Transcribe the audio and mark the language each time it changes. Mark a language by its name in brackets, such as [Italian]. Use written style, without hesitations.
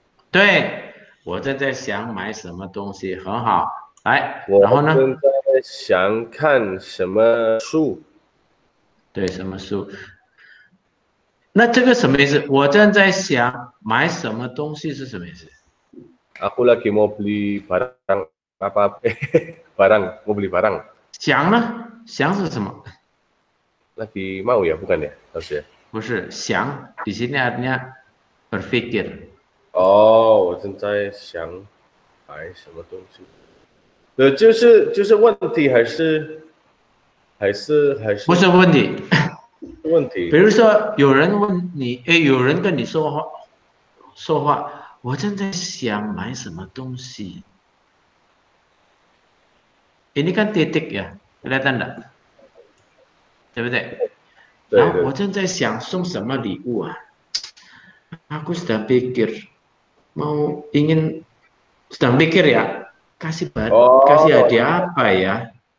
[Chinese] 对，我正在想买什么东西，很好。来，然后呢？我正在想看什么书。对，什么书？那这个什么意思？我正在想买什么东西是什么意思？ [Indonesian] Aku lagi mau beli barang apa? Barang, mau beli barang. [Chinese] 想呢？想是什么？ [Indonesian] Lagi mau ya, bukan ya, harusnya. [Chinese] 不是想， [Indonesian] di sini artinya berpikir. [Chinese] Oh, 我正在想买什么东西。就是问题还是不是问题？问题。比如说有人问你，哎，有人跟你说话。我正在想买什么东西。 [Indonesian] ini kan titik ya, kelihatan tak? [Chinese] 对不对？对对。然后我正在想送什么礼物啊。 [Indonesian] aku sedang pikir, mau ingin sedang pikir ya, kasih hadiah apa ya?